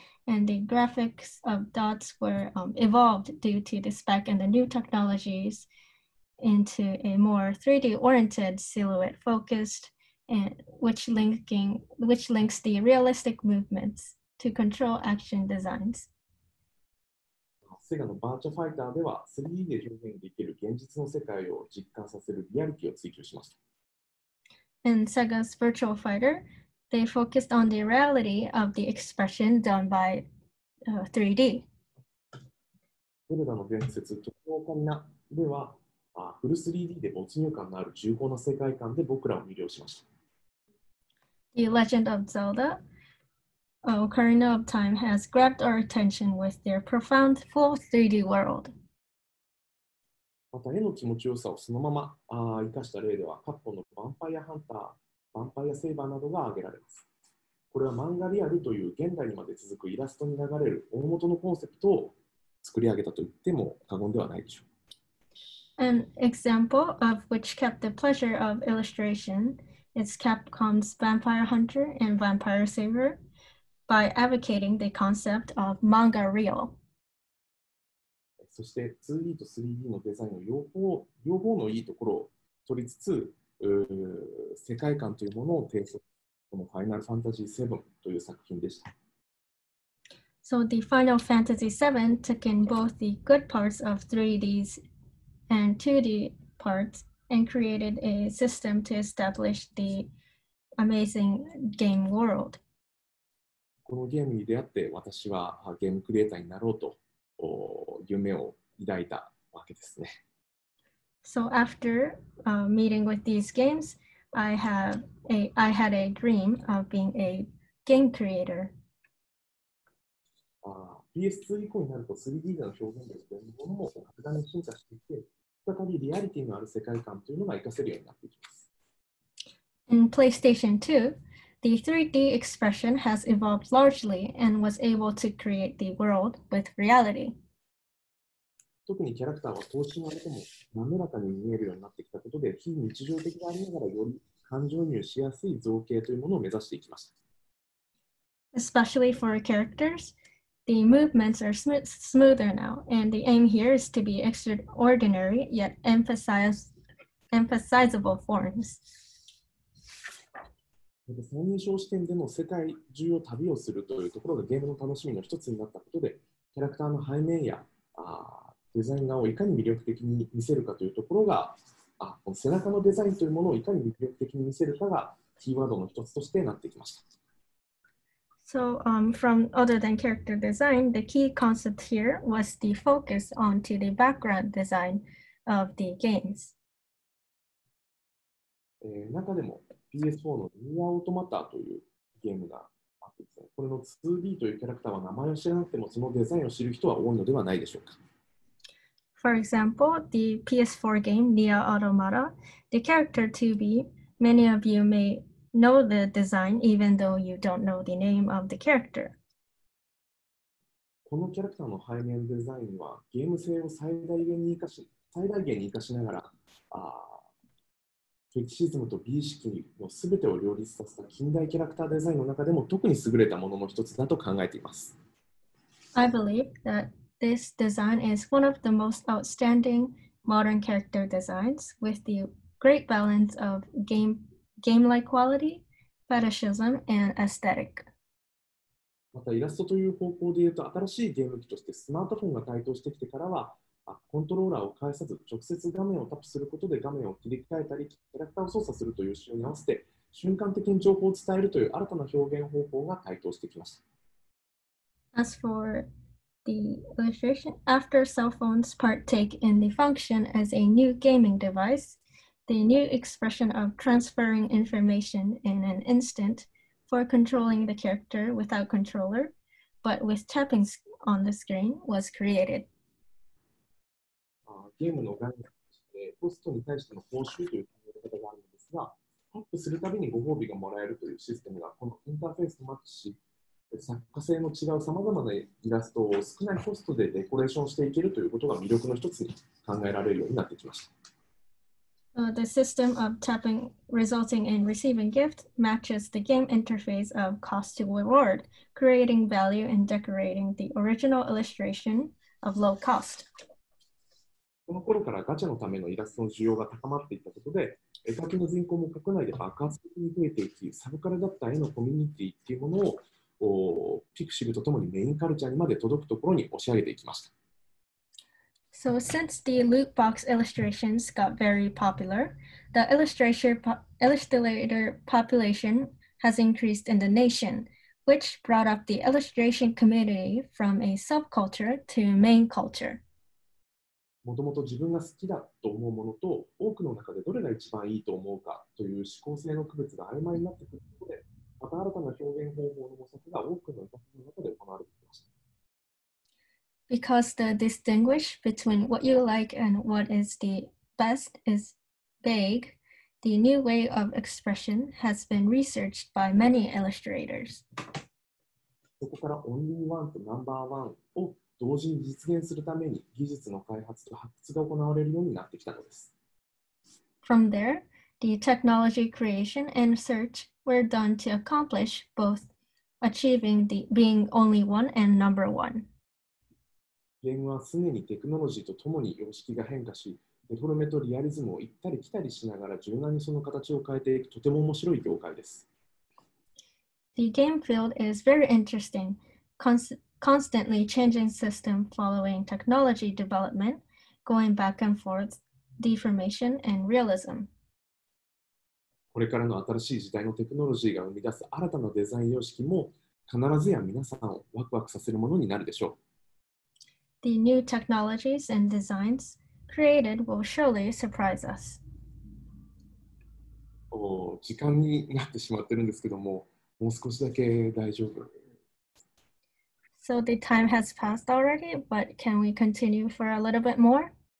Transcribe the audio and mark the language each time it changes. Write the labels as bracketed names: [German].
[English] And the graphics of dots were evolved due to the spec and the new technologies into a more 3D oriented silhouette focused, and which links the realistic movements to control action designs. [Japanese] セガのバーチャファイターでは 3D で表現できる現実の世界を実感させるリアリティを追求しました。 [English] In Sega's Virtual Fighter, they focused on the reality of the expression done by 3D. [Japanese] ゼルダの伝説、トゥオカミナでは、フル 3D で没入感のある重厚な世界観で僕らを魅了しました。 [English] The Legend of Zelda. Ocarina of Time has grabbed our attention with their profound full 3D world. [Japanese] また絵の気持ちよさをそのまま生かした例では、過去のヴァンパイアハンター、ヴァンパイアセイバーなどが挙げられます。これは漫画リアルという現代にまで続くイラストに流れる大元のコンセプトを作り上げたと言っても過言ではないでしょう。 [English] An example of which kept the pleasure of illustration is Capcom's Vampire Hunter and Vampire Saber. By advocating the concept of manga real. [Japanese] そして 2D と 3D のデザインの両方のいいところを取りつつ、世界観というものを提出このファイナルファンタジー7という作品でした。 [English] So the Final Fantasy VII took in both the good parts of 3D's and 2D parts and created a system to establish the amazing game world. [Japanese] このゲームに出会って私はゲームクリエイターになろうと夢を抱いたわけですね。 [English] So after meeting with these games, I had a dream of being a game creator. [Japanese] PS2 以降になると 3D での表現力というものも格段に進化していて、再びリアリティのある世界観というのが活かせるようになってきます。 [English] In PlayStation 2,The 3D expression has evolved largely and was able to create the world with reality. [Japanese] 特にキャラクターは等身のあれでも滑らかに見えるようになってきたことで、非日常的でありながらより感情移入しやすい造形というものを目指していきました。 [English] Especially for characters, the movements are smoother now, and the aim here is to be extraordinary yet emphasizable forms. [Japanese] 三人称視点での世界中を旅をするというところがゲームの楽しみの一つになったことで、キャラクターの背面やデザイン画をいかに魅力的に見せるかというところが、この背中のデザインというものをいかに魅力的に見せるかがキーワードの一つとしてなってきました。 [English] So, from other than character design, the key concept here was the focus onto the background design of the games. [Japanese] 中でもPS4 のニアオートマタというゲームがあってですね。これの 2D というキャラクターは名前を知らなくてもそのデザインを知る人は多いのではないでしょうか。 [English] For example, the PS4 game Nia Automata, the character 2B, many of you may know the design even though you don't know the name of the character. [Japanese] このキャラクターの背面デザインはゲーム性を最大限に活かしながら、フェチシズムと美意識のすべてを両立させた近代キャラクターデザインの中でも特に優れたものの一つだと考えています。 [English] I believe that this design is one of the most outstanding modern character designs with the great balance of game-like quality, fetishism, and aesthetic. [Japanese] またイラストという方向で言うと、新しいゲーム機としてスマートフォンが台頭してきてからは、コントローラーを介さず直接画面をタップすることで画面を切り替えたりキャラクターを操作するという仕様に合わせて瞬間的に情報を伝えるという新たな表現方法が台頭してきました。 [English] As for the illustration, after cell phones partake in the function as a new gaming device, the new expression of transferring information in an instant for controlling the character without controller, but with tapping on the screen was created. [Japanese] ゲームの概念としてポストに対しての報酬という考え方があるのですが、タップするたびにご褒美がもらえるというシステムがこのインターフェースとマッチし、作家性の違うさまざまなイラストを少ないコストでデコレーションしていけるということが魅力の一つに考えられるようになってきました。 [English] The system of tapping resulting in receiving gift matches the game interface of cost to reward, creating value and decorating the original illustration of low cost. [Japanese] この頃からガチャのためのイラストの需要が高まっていったことで、絵描きの人口も国内で爆発的に増えていき、サブカルだった絵のコミュニティっていうものをピクシブとともにメインカルチャーにまで届くところに押し上げていきました。 [English] So since the loot box illustrations got very popular, the illustrator population has increased in the nation, which brought up the illustration community from a subculture to main culture. [Japanese] もともと自分が好きだと思うものと多くの中でどれが一番いいと思うかという思考性の区別が曖昧になってくることで、また新たな表現方法の模索が多くの人の中で行われてきました。 [English] Because the distinguish between what you like and what is the best is vague, the new way of expression has been researched by many illustrators. [Japanese] そこからオンリーワンとナンバーワンを同時に実現するために技術の開発と発掘が行われるようになってきたのです。 [English] From there, the technology creation and search were done to accomplish both achieving the being only one and number one. [Japanese] ゲームは常にテクノロジーとともに様式が変化し、デフォルメとリアリズムを行ったり来たりしながら柔軟にその形を変えていくとても面白い業界です。 [English] The game field is very interesting. Constantly changing system following technology development, going back and forth, deformation and realism. [Japanese] これからの新しい時代のテクノロジーが生み出す新たなデザイン様式も必ずや皆さんをワクワクさせるものになるでしょう。 [English] The new technologies and designs created will surely surprise us. [Japanese] お、時間になってしまってるんですけども、もう少しだけ大丈夫。 [English] So the time has passed already, but can we continue for a little bit more?